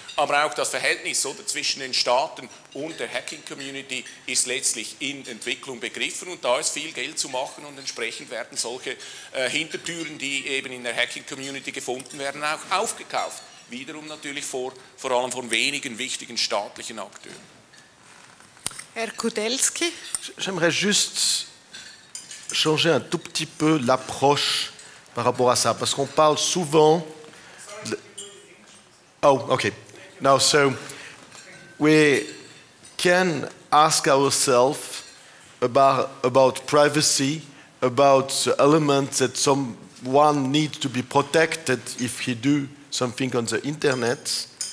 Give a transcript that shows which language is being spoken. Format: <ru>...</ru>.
<de>Aber auch das Verhältnis oder, zwischen den Staaten und der Hacking-Community ist letztlich in Entwicklung begriffen und da ist viel Geld zu machen und entsprechend werden solche Hintertüren, die eben in der Hacking-Community gefunden werden, auch aufgekauft. Wiederum natürlich vor allem von wenigen wichtigen staatlichen Akteuren. Herr Kudelski.</de> <fr>J'aimerais juste changer un tout petit peu l'approche par rapport à ça, parce qu'on parle souvent.</fr> <en>Oh, okay. Now, so we can ask ourselves about privacy, about the element that someone needs to be protected if he do something on the internet.</en>